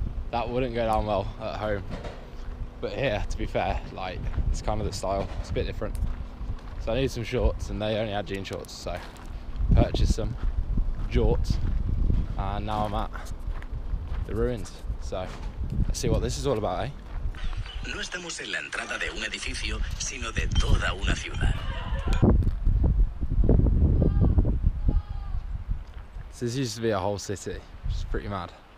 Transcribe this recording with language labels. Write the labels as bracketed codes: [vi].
[en] That wouldn't go down well at home, but here, to be fair, like it's kind of the style, it's a bit different. So, I need some shorts, and they only had jean shorts, so purchased some jorts. And now I'm at the ruins. So, let's see what this is all about, eh? [es] No estamos en la entrada de un edificio, sino de toda una ciudad. [en] So this used to be a whole city, which is pretty mad.